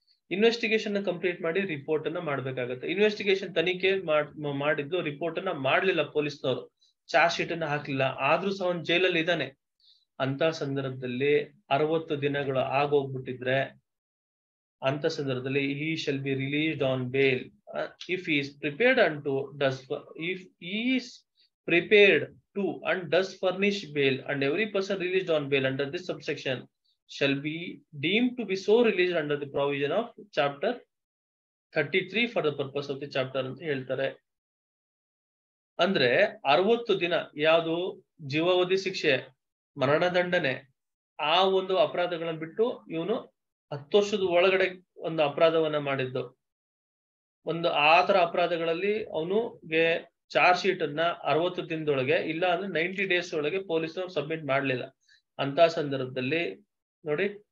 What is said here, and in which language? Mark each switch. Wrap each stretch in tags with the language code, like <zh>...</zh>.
<kn>Investigation complete ಮಾಡಿ report ಅನ್ನ ಮಾಡ್ಬೇಕಾಗುತ್ತೆ. ಇನ್ವೆಸ್ಟಿಗೇಷನ್ ತನಿಖೆ ಮಾಡಿದ್ದು ರಿಪೋರ್ಟ್ ಅನ್ನ ಮಾಡ್ಲಿಲ್ಲ ಪೊಲೀಸ್ನವರು, ಚಾರ್ಜ್ ಶೀಟ್ ಅನ್ನ ಹಾಕ್ಲಿಲ್ಲ, ಆದ್ರೂ ಸಹ ಅವನ್ ಜೈಲಲ್ಲಿ ಇದ್ದಾನೆ. ಅಂತ ಸಂದರ್ಭದಲ್ಲಿ 60 ದಿನಗಳು ಆಗೋಗ್ಬಿಟ್ಟಿದ್ರೆ ಅಂತ ಸಂದರ್ಭದಲ್ಲಿ</kn> <en>he shall be released on bail if he is prepared and to does if he is prepared to and does furnish bail, and every person released on bail under this subsection shall be deemed to be so released under the provision of chapter 33 for the purpose of the chapter</en> <kn>ಅಂತ ಹೇಳ್ತಾರೆ. ಅಂದ್ರೆ 60 ದಿನ ಯಾವುದು ಜೀವಾವಧಿ ಶಿಕ್ಷೆ ಮರಣದಂಡನೆ ಆ ಒಂದು ಅಪರಾಧಗಳನ್ನು ಬಿಟ್ಟು ಇವನು 10 ವರ್ಷದ ಒಳಗಡೆ ಒಂದು ಅಪರಾಧವನ್ನ ಮಾಡಿದ್ದು ಒಂದು ಆ ತರ ಅಪರಾಧಗಳಲ್ಲಿ ಅವನಿಗೆ ಚಾರ್ಜ್ ಶೀಟ್ ಅನ್ನ 60 ದಿನದೊಳಗೆ ಇಲ್ಲ ಅಂದ್ರೆ 90 ಡೇಸ್ ಒಳಗೆ ಪೊಲೀಸರು ಸಬ್ಮಿಟ್ ಮಾಡಲಿಲ್ಲ ಅಂತ ಸಂದರ್ಭದಲ್ಲಿ ನೋಡಿ</kn>